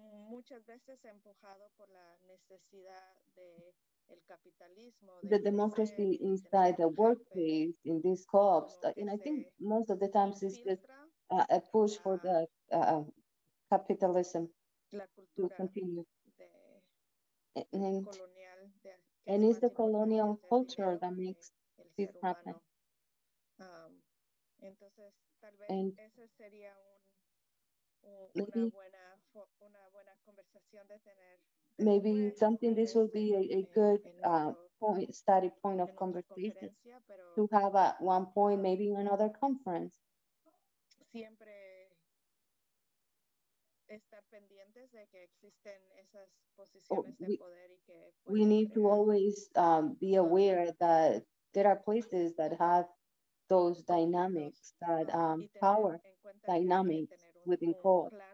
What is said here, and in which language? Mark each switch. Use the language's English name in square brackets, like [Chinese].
[Spanish] Muchas veces empujado por la necesidad de el capitalismo. [English] The democracy inside the workplace in these co-ops, and I think most of the times it's just a push for the capitalism to continue. And it's the colonial culture that makes this happen. [Spanish] Entonces, tal vez and eso sería una buena conversación de tener. [English] Maybe something this will be a good point, study point of conversation to have at one point, maybe in another conference. [Spanish] Siempre estar pendientes de que existen esas posiciones de poder y que [English] we need to always be aware that there are places that have those dynamics, that power dynamics within court.